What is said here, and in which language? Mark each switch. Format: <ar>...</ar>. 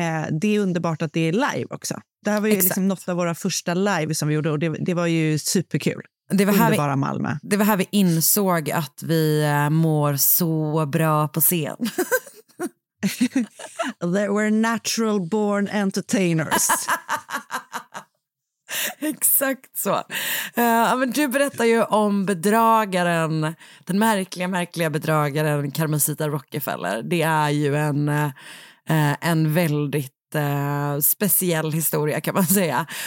<sv>Det är underbart att det är live också. Det här var ju liksom något av våra första live som vi gjorde, och det var ju superkul. Underbara Malmö. Det var här vi insåg att vi mår så bra på scen.</sv> <en>That we're natural born entertainers.</en> <sv>Exakt så. Men du berättar ju om bedragaren, den märkliga, märkliga bedragaren Carmencita Rockefeller. Det är ju en väldigt speciell historia, kan man säga.</sv>